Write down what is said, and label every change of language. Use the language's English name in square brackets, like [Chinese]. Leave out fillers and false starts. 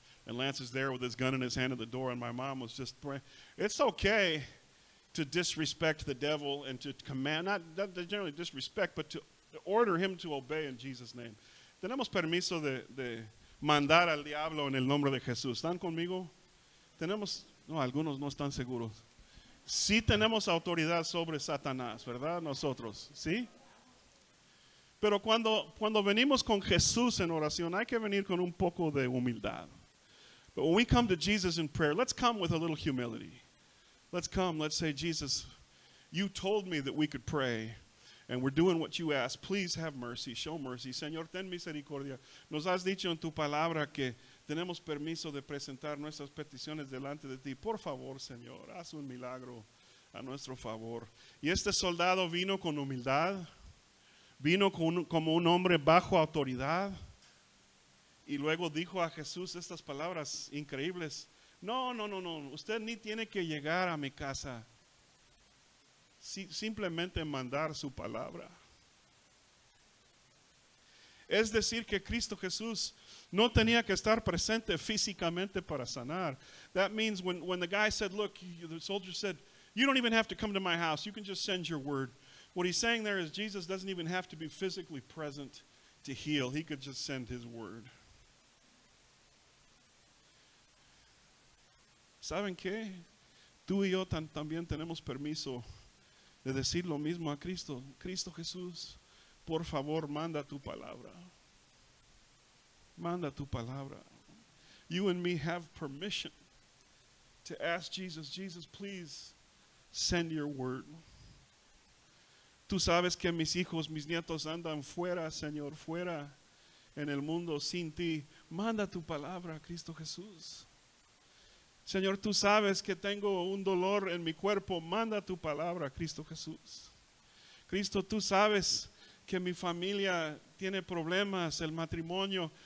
[English] And Lance is there with his gun in his hand at the door, and my mom was just praying. It's okay to disrespect the devil and to command, not to generally disrespect, but to order him to obey in Jesus' name. [Spanish] Tenemos permiso de mandar al diablo en el nombre de Jesús. ¿Están conmigo? Tenemos, no, algunos no están seguros. Sí tenemos autoridad sobre Satanás, ¿verdad? Nosotros, ¿sí? Pero cuando venimos con Jesús en oración, hay que venir con un poco de humildad. [English] But when we come to Jesus in prayer, let's come with a little humility. Let's come, let's say, Jesus, you told me that we could pray, and we're doing what you asked. Please have mercy, show mercy. [Spanish] Señor, ten misericordia. Nos has dicho en tu palabra que tenemos permiso de presentar nuestras peticiones delante de ti. Por favor, Señor, haz un milagro a nuestro favor. Y este soldado vino con humildad, vino como un hombre bajo autoridad, y luego dijo a Jesús estas palabras increíbles. No, usted ni tiene que llegar a mi casa. Simplemente mandar su palabra. Es decir, que Cristo Jesús no tenía que estar presente físicamente para sanar. [English] That means when the guy said, look, the soldier said, you don't even have to come to my house. You can just send your word. What he's saying there is Jesus doesn't even have to be physically present to heal. He could just send his word. [Spanish] ¿Saben qué? Tú y yo también tenemos permiso de decir lo mismo a Cristo. Cristo Jesús, por favor, manda tu palabra. Manda tu palabra. [English] You and me have permission to ask Jesus, Jesus, please send your word. [Spanish] Tú sabes que mis hijos, mis nietos andan fuera, Señor, fuera en el mundo sin ti. Manda tu palabra, Cristo Jesús. Señor, tú sabes que tengo un dolor en mi cuerpo. Manda tu palabra, Cristo Jesús. Cristo, tú sabes que mi familia tiene problemas, el matrimonio.